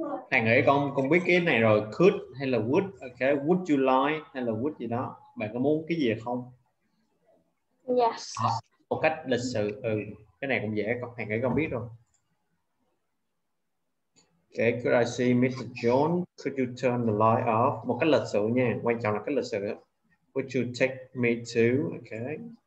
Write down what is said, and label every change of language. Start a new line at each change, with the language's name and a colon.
Vietnamese: Hàng ấy con biết cái này rồi, could hay là would.
English: Ok, would you like
Vietnamese: hay là
English: would
Vietnamese: gì đó. Bạn có muốn cái gì không?
English: Yes.
Vietnamese: Một cách lịch sự. Ừ, cái này cũng dễ, hàng ấy con biết rồi.
English: Okay, could I see Mr. John? Could you turn the light off?
Vietnamese: Một cái lịch sự nha, quan trọng là cái lịch sự.
English: Would you take me to?
Vietnamese: Okay.